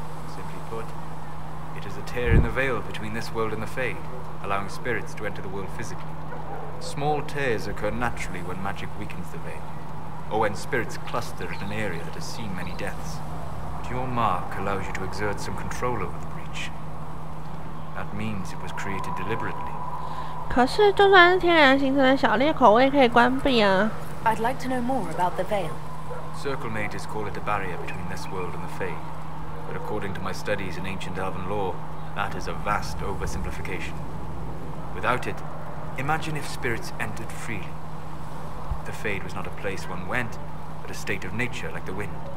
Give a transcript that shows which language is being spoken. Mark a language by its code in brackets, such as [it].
[en] Simply put, it is a tear in the veil between this world and the Fade, allowing spirits to enter the world physically. Small tears occur naturally when magic weakens the veil, or when spirits cluster in an area that has seen many deaths. But your mark allows you to exert some control over the breach. That means it was created deliberately. [zh] 可是，就算是天然形成的小裂口，我也可以关闭啊。 [en] I'd like to know more about the veil. Circle mages call it a barrier between this world and the Fade. But according to my studies in ancient Elven lore, that is a vast oversimplification. Without it. Imagine if spirits entered freely. The Fade was not a place one went, but a state of nature like the wind.